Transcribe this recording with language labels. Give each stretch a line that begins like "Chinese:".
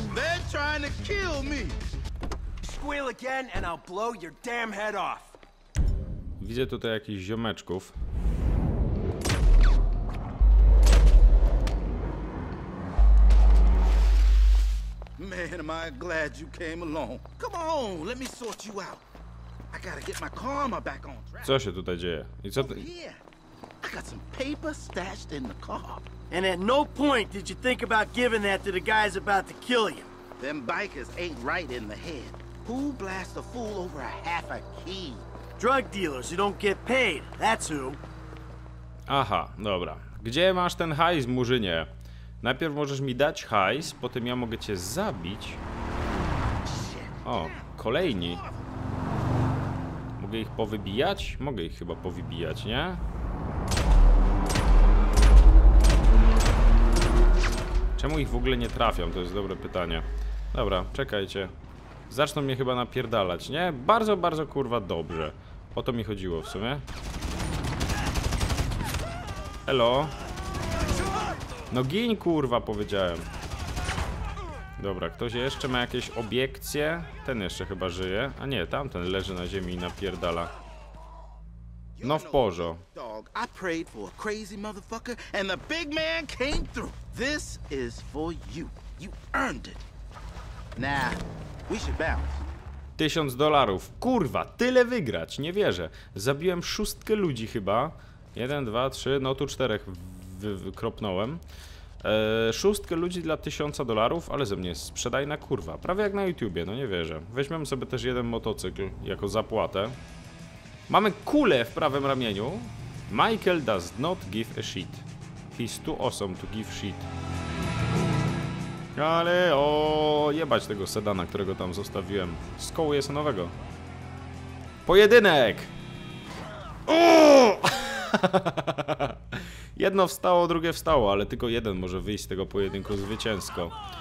English: They're trying to kill me. Squeal again and I'll blow your damn head off.
Polish: Widzę tutaj jakichś ziomeczków.
English: Man, am I glad you came along. Come on, let me sort you out. I gotta get my karma back on track.
Polish: Co się tutaj dzieje? I co ty?
English: Yeah, I got some paper stashed in the car. And at no point did you think about giving that to the guys about to kill you. Them bikers ain't right in the head. Who blasts a fool over a half a key? Drug dealers who don't get paid, that's who.
Polish: Aha, dobra. Gdzie masz ten hajs, murzynie? Najpierw możesz mi dać hajs, potem ja mogę cię zabić. O, kolejni. Mogę ich powybijać? Mogę ich chyba powybijać, nie? Czemu ich w ogóle nie trafią? To jest dobre pytanie. Dobra, czekajcie. Zaczną mnie chyba napierdalać, nie? Bardzo, bardzo kurwa dobrze. O to mi chodziło w sumie. Elo. No gin, kurwa, powiedziałem. Dobra, ktoś jeszcze ma jakieś obiekcje? Ten jeszcze chyba żyje. A nie, tamten leży na ziemi i napierdala. No w porzo.
English: I prayed for a crazy motherfucker and the big man came through. This is for you. You earned it. Now, we should bounce. $1000.
Polish: Kurwa, tyle wygrać, nie wierzę. Zabiłem 6 ludzi chyba. 1, 2, 3, no tu 4. Wykropnąłem 6 ludzi dla $1000, ale ze mnie sprzedajna kurwa, prawie jak na YouTubie, no nie wierzę. Weźmiemy sobie też jeden motocykl jako zapłatę. Mamy kulę w prawym ramieniu.
English: Michael does not give a shit. He's too awesome to give shit.
Polish: Ale o, jebać tego sedana, którego tam zostawiłem. Z koło jest nowego. Pojedynek. Jedno wstało, drugie wstało, ale tylko jeden może wyjść z tego pojedynku zwycięsko.